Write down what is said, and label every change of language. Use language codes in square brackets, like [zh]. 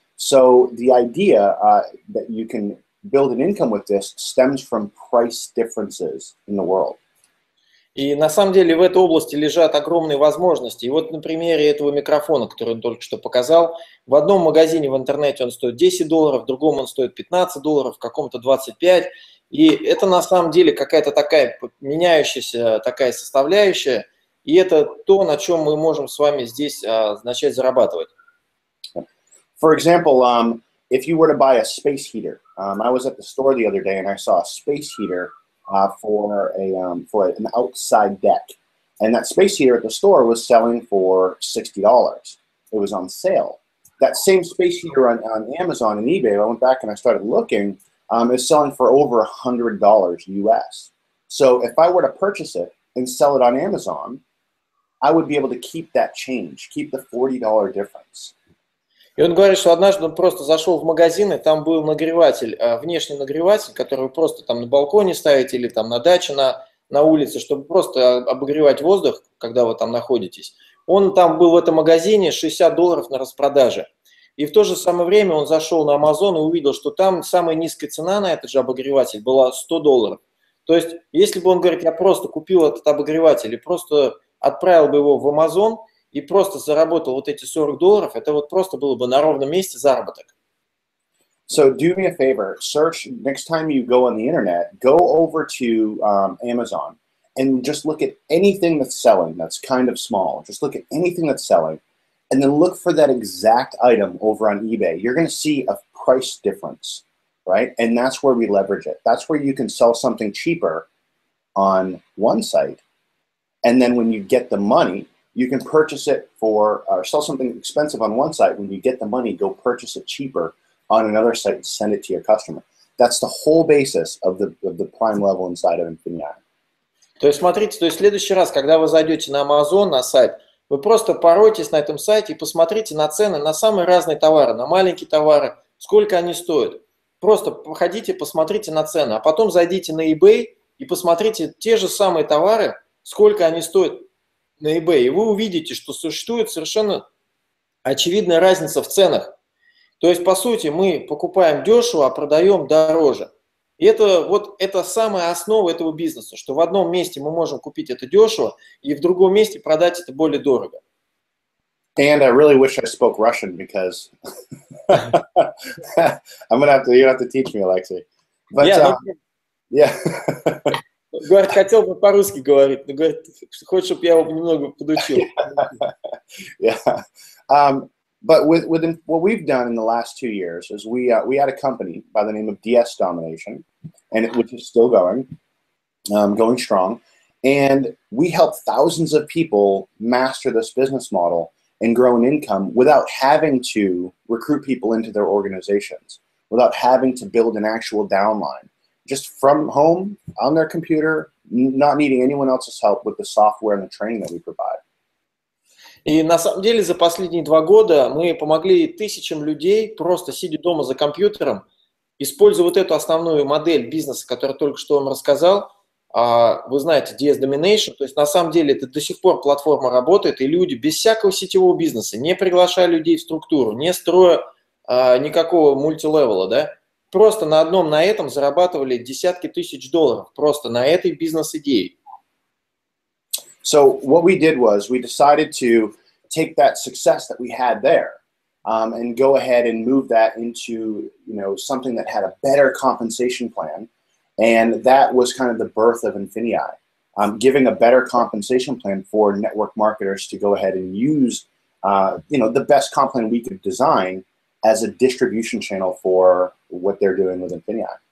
[en] So the idea that you can build an income with this stems from price differences in the world. [ru] И на самом деле в этой области лежат огромные возможности. И вот на примере этого микрофона, который он только что показал, в одном магазине в интернете он стоит $10, в другом он стоит $15, в каком-то 25. И это на самом деле какая-то такая меняющаяся такая составляющая. И это то, на чем мы можем с вами здесь начать зарабатывать. [en] For example, if you were to buy a space heater, I was at the store the other day and I saw a space heater for an outside deck, and that space heater at the store was selling for $60. It was on sale. That same space heater on Amazon and eBay, I went back and I started looking, is selling for over $100 US. So if I were to purchase it and sell it on Amazon, I would be able to keep that change, keep the $40 difference. [ru] И он говорит, что однажды он просто зашел в магазин, и там был нагреватель, внешний нагреватель, который вы просто там на балконе ставите или там на даче на улице, чтобы просто обогревать воздух, когда вы там находитесь. Он там был в этом магазине $60 на распродаже. И в то же самое время он зашел на Amazon и увидел, что там самая низкая цена на этот же обогреватель была $100. То есть, если бы он, говорит, я просто купил этот обогреватель и просто отправил бы его в Amazon, и просто заработал вот эти $40, это вот просто было бы на ровном месте заработок. [en] So do me a favor, search, next time you go on the internet, go over to Amazon and just look at anything that's selling that's kind of small. Just look at anything that's selling and then look for that exact item over on eBay. You're going to see a price difference, right? And that's where we leverage it. That's where you can sell something cheaper on one site, and then when you get the money, you can purchase it for, or sell something expensive on one site. When you get the money, go purchase it cheaper on another site and send it to your customer. That's the whole basis of the prime level inside of Infinii. [ru] То есть смотрите, то есть в следующий раз, когда вы зайдете на Amazon, на сайт, вы просто поройтесь на этом сайте и посмотрите на цены на самые разные товары, на маленькие товары, сколько они стоят. Просто походите, посмотрите на цены, а потом зайдите на eBay и посмотрите те же самые товары, сколько они стоят на eBay, и вы увидите, что существует совершенно очевидная разница в ценах. То есть, по сути, мы покупаем дешево, а продаем дороже. И это вот это самая основа этого бизнеса, что в одном месте мы можем купить это дешево, и в другом месте продать это более дорого. [en] And I really wish I spoke Russian, because I'm gonna have to, you're gonna have to teach me, Alexei. But yeah. [ru] Говорит, хотел бы по-русски говорить, но говорит, хочешь, чтобы я его немного подучил. [en] Yeah. But with what we've done in the last 2 years is we had a company by the name of DS Domination, and it, which is still going, going strong, and we help thousands of people master this business model and grow an income without having to recruit people into their organizations, without having to build an actual downline, just from home on their computer, not needing anyone else's help with the software and the training that we provide. [ru] И на самом деле за последние 2 года мы помогли тысячам людей, просто сидя дома за компьютером, используя вот эту основную модель бизнеса, которую только что вам рассказал, вы знаете, DS Domination, то есть на самом деле это до сих пор платформа работает, и люди без всякого сетевого бизнеса, не приглашая людей в структуру, не строя никакого мультилевела, да, просто на одном на этом зарабатывали десятки тысяч долларов, просто на этой бизнес-идее. [en] So what we did was we decided to take that success that we had there and go ahead and move that into, you know, something that had a better compensation plan. And that was kind of the birth of Infinii, giving a better compensation plan for network marketers to go ahead and use, you know, the best comp plan we could design as a distribution channel for what they're doing with Infinii.